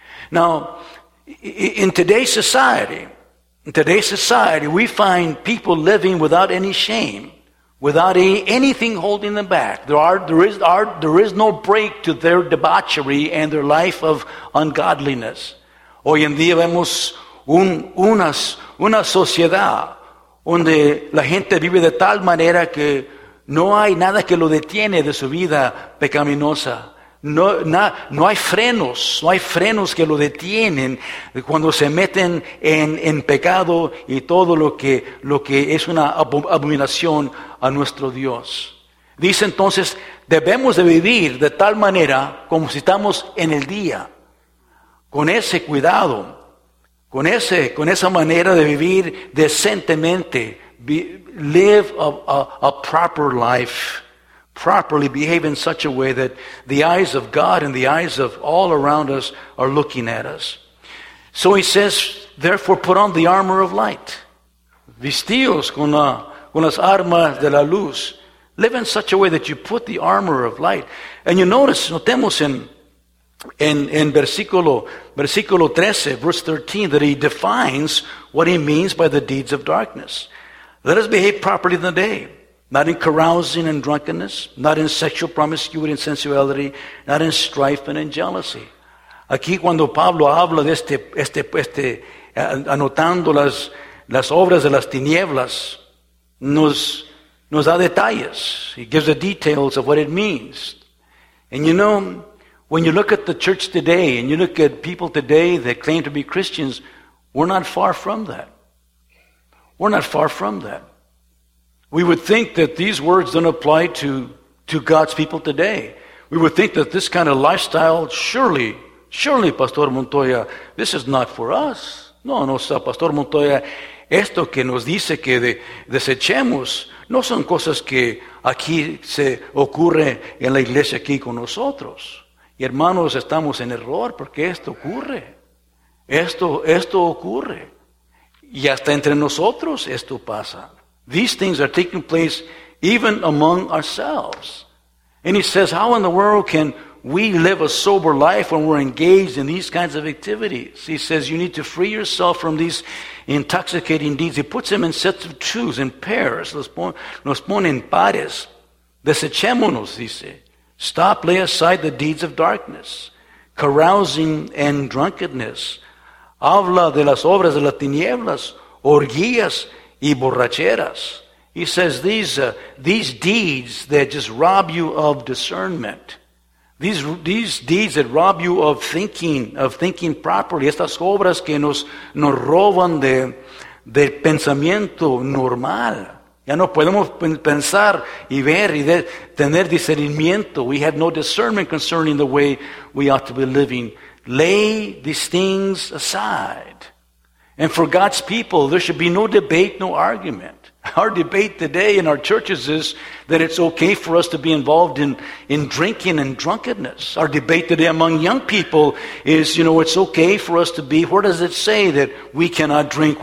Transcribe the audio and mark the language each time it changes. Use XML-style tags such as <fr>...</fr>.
<en>Now, in today's society, we find people living without any shame, without anything holding them back. There is no break to their debauchery and their life of ungodliness.</en> <es>Hoy en día vemos una sociedad donde la gente vive de tal manera que no hay nada que lo detiene de su vida pecaminosa. No hay frenos que lo detienen cuando se meten en pecado y todo lo que es una abominación a nuestro Dios. Dice entonces, debemos de vivir de tal manera como si estamos en el día, con ese cuidado, con esa manera de vivir decentemente.</es> <en>Live a proper life. Properly behave in such a way that the eyes of God and the eyes of all around us are looking at us. So he says, therefore put on the armor of light.</en> <es>Vestíos con las armas de la luz.</es> <en>Live in such a way that you put the armor of light. And you</en> <es>notemos en versículo 13,</es> <en>verse 13, that he defines what he means by the deeds of darkness. Let us behave properly in the day. Not in carousing and drunkenness, not in sexual promiscuity and sensuality, not in strife and in jealousy.</en> <es>Aquí cuando Pablo habla de este anotando las obras de las tinieblas, nos da detalles.</es> <en>He gives the details of what it means. And you know, when you look at the church today and you look at people today that claim to be Christians, we're not far from that. We're not far from that. We would think that these words don't apply to God's people today. We would think that this kind of lifestyle, surely, Pastor Montoya, this is not for us.</en> <es>No, Pastor Montoya, esto que nos dice que desechemos, no son cosas que aquí se ocurre en la iglesia aquí con nosotros. Y hermanos, estamos en error porque esto ocurre. Esto ocurre. Y hasta entre nosotros esto pasa.</es> <en>These things are taking place even among ourselves. And he says, how in the world can we live a sober life when we're engaged in these kinds of activities? He says, you need to free yourself from these intoxicating deeds. He puts them in sets of twos, in pairs.</en> <es>Los pone en pares. Desechémonos, dice.</es> <en>Stop, lay aside the deeds of darkness, carousing and drunkenness.</en> <es>Habla de las obras de las tinieblas, orgías, y borracheras.</es> <en>He says these deeds that just rob you of discernment, these deeds that rob you of thinking properly,</en> <es>estas obras que nos roban de pensamiento normal. Ya no podemos pensar y ver y tener discernimiento.</es> <en>We have no discernment concerning the way we ought to be living. Lay these things aside. And for God's people, there should be no debate, no argument. our debate today in our churches is that it's okay for us to be involved in drinking and drunkenness. Our debate today among young people is, you know, it's okay for us to be, where does it say that we cannot drink?</en>